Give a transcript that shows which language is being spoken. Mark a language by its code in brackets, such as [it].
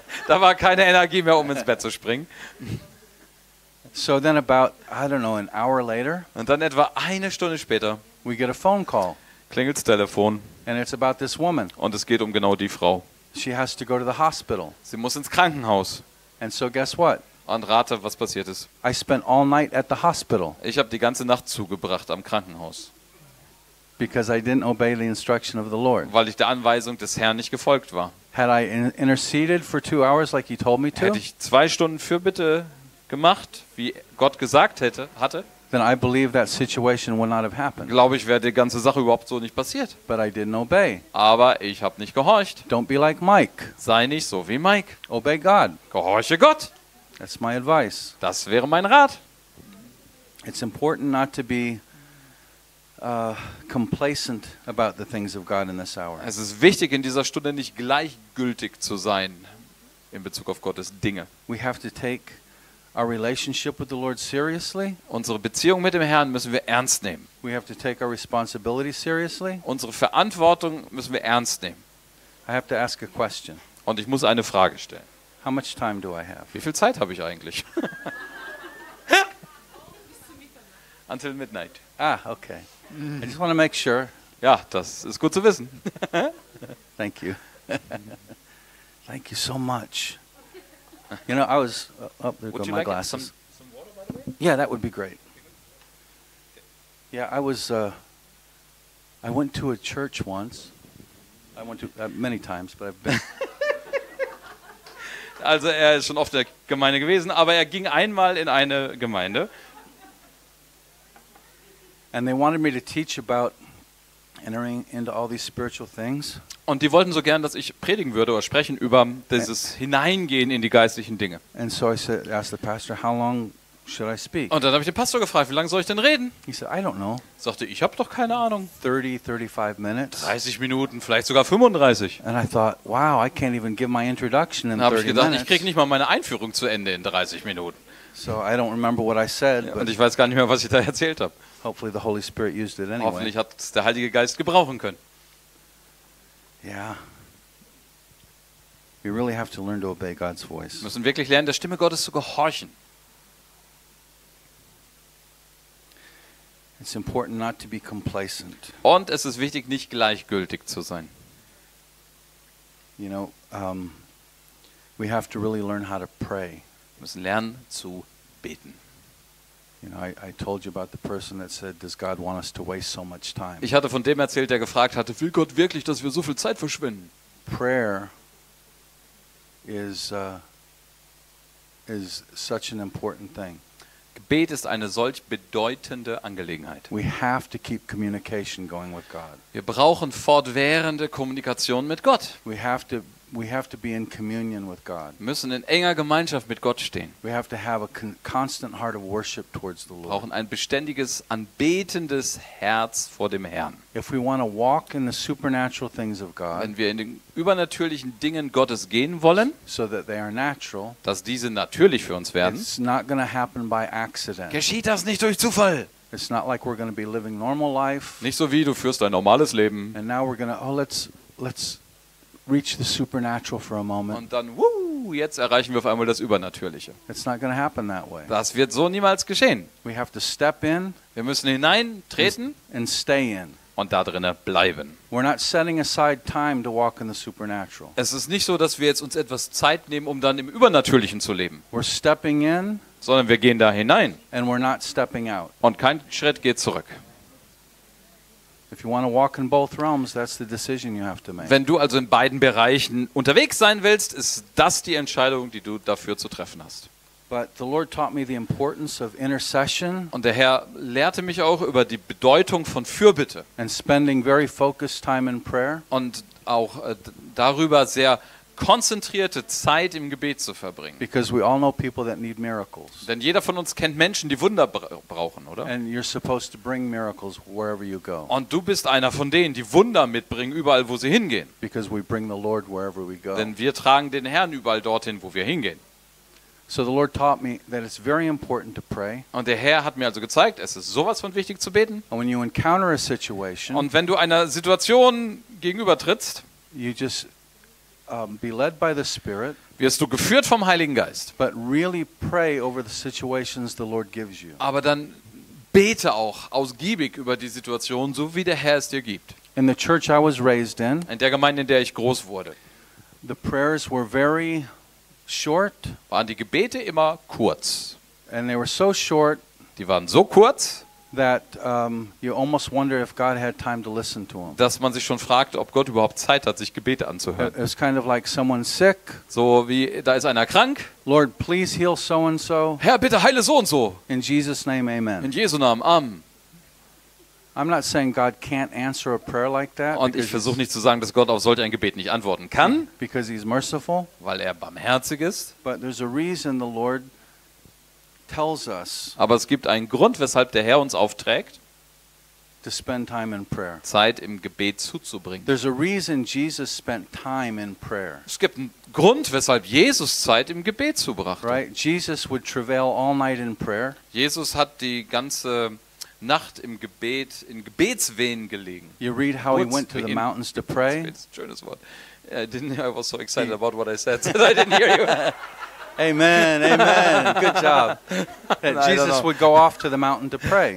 [de] Da war keine Energie mehr, um ins Bett zu springen. [en] So then, about I don't know, an hour later. [de] Und dann etwa eine Stunde später. [en] We get a phone call. [de] Klingelt's Telefon. [en] And it's about this woman. [de] Und es geht um genau die Frau. [en] She has to go to the hospital. [de] Sie muss ins Krankenhaus. [en] And so guess what? [de] Und rate, was passiert ist. [en] I spent all night at the hospital. [de] Ich habe die ganze Nacht zugebracht am Krankenhaus. [en] Because I didn't obey the instruction of the Lord. [de] Weil ich der Anweisung des Herrn nicht gefolgt war. [en] Had I interceded for 2 hours like he told me to? [de] Hätte ich 2 Stunden Fürbitte gemacht, wie Gott gesagt hatte? [en] Then I believe that situation would not have happened. [de] Glaube ich, wäre die ganze Sache überhaupt so nicht passiert. [en] But I didn't obey. [de] Aber ich habe nicht gehorcht. [en] Don't be like Mike. [de] Sei nicht so wie Mike. [en] Obey God. [de] Gehorche Gott. [en] That's my advice. [de] Das wäre mein Rat. [en] It's important not to be complacent about the things of God in this hour. [de] Es ist wichtig, in dieser Stunde nicht gleichgültig zu sein in Bezug auf Gottes Dinge. [en] We have to take our relationship with the Lord seriously. [de] Unsere Beziehung mit dem Herrn müssen wir ernst nehmen. [en] We have to take our responsibility seriously. [de] Unsere Verantwortung müssen wir ernst nehmen. [en] I have to ask a question. [de] Und ich muss eine Frage stellen. [en] How much time do I have? [de] Wie viel Zeit habe ich eigentlich? [en] Until midnight. Ah, okay. I just want to make sure. [de] Ja, das ist gut zu wissen. [en] Thank you. Thank you so much. You know, I was up there with my like glasses. Some water, by the way? Yeah, that would be great. Yeah, I was. I went to a church once. I went to many times, but I've been. [de] Also, er ist schon oft in der Gemeinde gewesen, aber er ging einmal in eine Gemeinde. [en] And they wanted me to teach about entering into all these spiritual things. [de] Und die wollten so gern, dass ich predigen würde oder sprechen über dieses Hineingehen in die geistlichen Dinge. [en] And so I said, asked the pastor, how long should I speak? [de] Und dann habe ich den Pastor gefragt, wie lange soll ich denn reden? [en] He said, I don't know. [de] Sagte, ich habe doch keine Ahnung. [en] 30, 35 minutes. [de] 30 Minuten, vielleicht sogar 35. [en] And I thought, wow, I can't even give my introduction in 30 minutes. [de] Habe ich gedacht, ich kriege nicht mal meine Einführung zu Ende in 30 Minuten. [en] So I don't remember what I said. [de] Und ich weiß gar nicht mehr, was ich da erzählt habe. [en] Hopefully the Holy Spirit used it anyway. [de] Hoffentlich hat es der Heilige Geist gebrauchen können. [en] Yeah. We really have to learn to obey God's voice. [de] Wir müssen wirklich lernen, der Stimme Gottes zu gehorchen. [en] It's important not to be complacent. [de] Und es ist wichtig, nicht gleichgültig zu sein. [en] You know, we have to really learn how to pray. [de] Wir müssen lernen zu beten. [en] You know, I told you about the person that said, "Does God want us to waste so much time?" [de] Ich hatte von dem erzählt, der gefragt hatte, will Gott wirklich, dass wir so viel Zeit verschwenden? [en] Prayer is such an important thing. [de] Gebet ist eine solch bedeutende Angelegenheit. [en] We have to keep communication going with God. [de] Wir brauchen fortwährende Kommunikation mit Gott. [en] We have to be in communion with God. [de] Wir müssen in enger Gemeinschaft mit Gott stehen. [en] We have to have a constant heart of worship towards the Lord. [de] Wir brauchen ein beständiges anbetendes Herz vor dem Herrn. [en] If we want to walk in the supernatural things of God. [de] Wenn wir in den übernatürlichen Dingen Gottes gehen wollen, [en] so that they are natural, [de] dass diese natürlich für uns werden. [en] It's not going to happen by accident. [de] Geschieht das nicht durch Zufall? [en] It's not like we're going to be living normal life. [de] Nicht so wie du führst ein normales Leben. [en] And now we're going to let's reach the supernatural for a moment. [de] Und dann, woo, jetzt erreichen wir auf einmal das Übernatürliche. [en] It's not going to happen that way. [de] Das wird so niemals geschehen. [en] We have to step in. [de] Wir müssen hineintreten. [en] And stay in. [de] Und da drinnen bleiben. [en] We're not setting aside time to walk in the supernatural. [de] Es ist nicht so, dass wir jetzt uns etwas Zeit nehmen, um dann im Übernatürlichen zu leben. [en] We're stepping in. [de] Sondern wir gehen da hinein. [en] And we're not stepping out. [de] Und kein Schritt geht zurück. [en] If you want to walk in both realms, that's the decision you have to make. [de] Wenn du also in beiden Bereichen unterwegs sein willst, ist das die Entscheidung, die du dafür zu treffen hast. [en] But the Lord taught me the importance of intercession. [de] Und der Herr lehrte mich auch über die Bedeutung von Fürbitte. [en] And spending very focused time in prayer. [de] Und auch darüber sehr konzentrierte Zeit im Gebet zu verbringen. [en] Because we all know people that need miracles. [de] Denn jeder von uns kennt Menschen, die Wunder brauchen, oder? [en] And you're supposed to bring miracles wherever you go. [de] Und du bist einer von denen, die Wunder mitbringen, überall, wo sie hingehen. [en] Because we bring the Lord wherever we go. [de] Denn wir tragen den Herrn überall dorthin, wo wir hingehen. [en] So the Lord taught me that it's very important to pray. [de] Und der Herr hat mir also gezeigt, es ist sowas von wichtig zu beten. [en] And when you encounter a situation, [de] und wenn du einer Situation gegenübertrittst, [en] you just be led by the Spirit. [de] Wirst du geführt vom Heiligen Geist. [en] But really pray over the situations the Lord gives you. [de] Aber dann bete auch ausgiebig über die Situation, so wie der Herr es dir gibt. [en] In the church I was raised in, [de] in der Gemeinde, in der ich groß wurde, [en] the prayers were very short. [de] Waren die Gebete immer kurz? [en] And they were so short. [de] Die waren so kurz, [en] that you almost wonder if God had time to listen to them. [de] Dass man sich schon fragt, ob Gott überhaupt Zeit hat, sich Gebete anzuhören. [en] It's kind of like someone sick. [de] So wie da ist einer krank. [en] Lord, please heal so and so. [de] Herr, bitte heile so und so. [en] In Jesus' name, amen. [de] In Jesu Namen, amen. [en] I'm not saying God can't answer a prayer like that. [de] Und ich versuche nicht zu sagen, dass Gott auf solch ein Gebet nicht antworten kann. [en] Because he's merciful. [de] Weil er barmherzig ist. [en] But there's a reason the Lord tells us. [de] Aber es gibt einen Grund, weshalb der Herr uns aufträgt, [en] to spend time in prayer. [de] Zeit im Gebet zuzubringen. [en] There's a reason Jesus spent time in prayer. [de] Es gibt einen Grund, weshalb Jesus Zeit im Gebet zubrachte. [en] Right? Jesus would travail all night in prayer. [de] Jesus hat die ganze Nacht im Gebet, in Gebetswehen gelegen. [en] You read how he went to the mountains to pray. It's a [de] schönes Wort. [en] I was so excited about what I said, so I didn't hear you. Amen, amen. Good job. Jesus would go off to the mountain to pray.